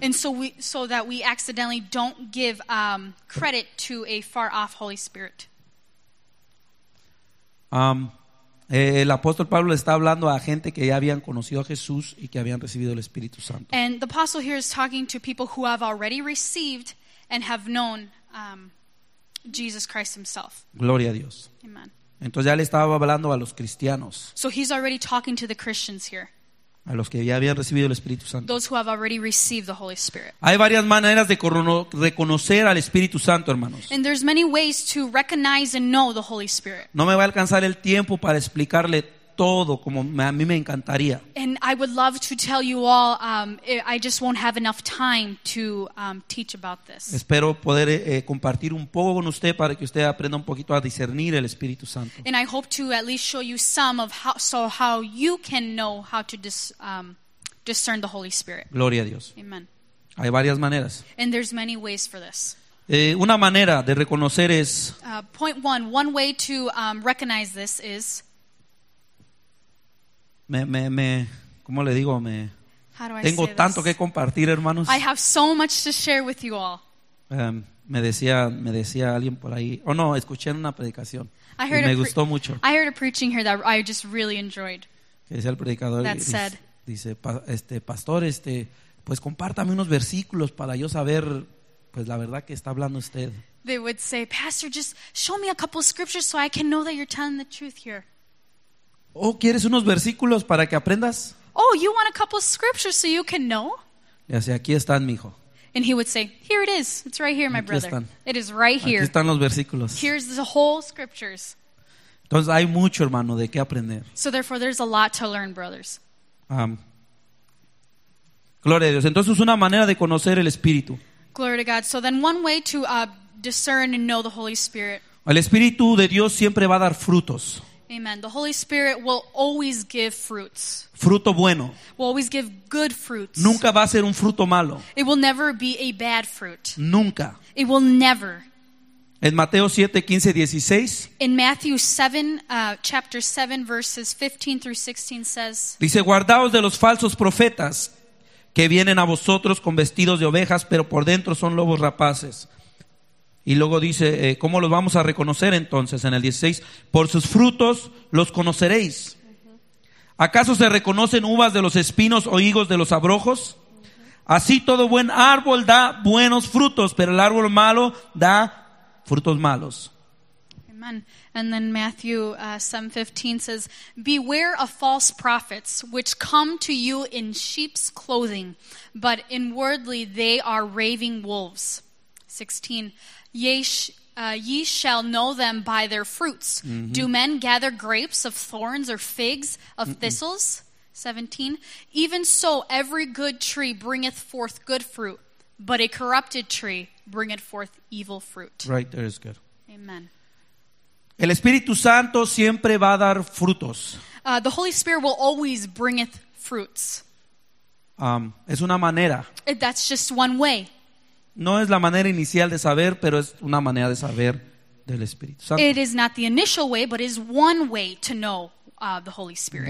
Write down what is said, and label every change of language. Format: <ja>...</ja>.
<en>And so that we accidentally don't give credit to a far off Holy Spirit.</en> <es>El apóstol Pablo está hablando a gente que ya habían conocido a Jesús y que habían recibido el Espíritu Santo.</es> <en>And the apostle here is talking to people who have already received and have known Jesus Christ himself.</en> <es>Gloria a Dios.</es> <en>Amen.</en> <es>Entonces ya le estaba hablando a los cristianos.</es> <en>So he's already talking to the Christians here.</en> <es>A los que ya habían recibido el Espíritu Santo.</es> <en>Those who have already received the Holy Spirit.</en> <es>Hay varias maneras de reconocer al Espíritu Santo, hermanos.</es> <en>And there's many ways to recognize and know the Holy Spirit.</en> <es>No me va a alcanzar el tiempo para explicarle todo como a mí me encantaría.</es> <en>And I would love to tell you all, I just won't have enough time to teach about this.</en> <es>Espero poder compartir un poco con usted para que usted aprenda un poquito a discernir el Espíritu Santo.</es> <en>And I hope to at least show you some of how you can know how to discern the Holy Spirit.</en> <es>Gloria a Dios.</es> <en>Amen.</en> <es>Hay varias maneras.</es> <en>And there's many ways for this.</en> <es>Una manera de reconocer es.</es> <en>Point one. One way to recognize this is.</en> <es>Me ¿cómo le digo? Me</es> <en>How do I</en> <es>tengo</es> <en>say</en> <es>tanto</es> <en>this?</en> <es>Que compartir, hermanos.</es> <en>I have so much to share with you all.</en> <es>Me decía alguien por ahí. Oh no, escuché en una predicación.</es> <en>I heard</en> <es>y me gustó mucho.</es> <en>I heard a preaching here that I just really enjoyed.</en> <es>Que decía el predicador.</es> <en>That said.</en> <es>Dice, pastor, pues compártame unos versículos para yo saber, pues la verdad que está hablando usted.</es> <en>They would say, pastor, just show me a couple of scriptures so I can know that you're telling the truth here.</en> <es>Oh, ¿quieres unos versículos para que aprendas?</es> <en>Oh, you want a couple of scriptures so you can know?</en> <es>Y así, aquí están, mijo.</es> <en>And he would say, here it is. It's right here, my</en> <es>aquí</es> <en>brother.</en> <es>Están.</es> <en>It is right here.</en> <es>Aquí están los versículos.</es> <en>Here's the whole scriptures.</en> <es>Entonces hay mucho, hermano, de qué aprender.</es> <en>So therefore, there's a lot to learn, brothers.</en> <es>Gloria a Dios. Entonces una manera de conocer el Espíritu.</es> <en>Glory to God. So then one way to discern and know the Holy Spirit.</en> <es>El Espíritu de Dios siempre va a dar frutos.</es> <en>Amen. The Holy Spirit will always give fruits.</en> <es>Fruto bueno.</es> <en>Will always give good fruits.</en> <es>Nunca va a ser un fruto malo.</es> <en>It will never be a bad fruit.</en> <es>Nunca.</es> <en>It will never.</en> <es>En Mateo 7, 15, 16.</es> <en>In Matthew 7, chapter 7, verses 15 through 16 says.</en> <es>Dice, guardaos de los falsos profetas que vienen a vosotros con vestidos de ovejas, pero por dentro son lobos rapaces. Y luego dice, ¿cómo los vamos a reconocer entonces? En el 16, por sus frutos los conoceréis. ¿Acaso se reconocen uvas de los espinos o higos de los abrojos? Así todo buen árbol da buenos frutos, pero el árbol malo da frutos malos.</es> <en>Amen. And then Matthew 7:15 says, beware of false prophets which come to you in sheep's clothing, but inwardly they are raving wolves. 16, ye shall know them by their fruits. Mm-hmm. Do men gather grapes of thorns or figs of thistles? 17, even so every good tree bringeth forth good fruit, but a corrupted tree bringeth forth evil fruit. Right, there is good. Amen.</en> <es>El Espíritu Santo siempre va a dar frutos.</es> <en>The Holy Spirit will always bringeth fruits.</en> <es>Es una manera.</es> <en>That's just one way.</en> <es>No es la manera inicial de saber, pero es una manera de saber del Espíritu Santo.</es> <en>It is not the initial way, but is one way to know the Holy Spirit.</en>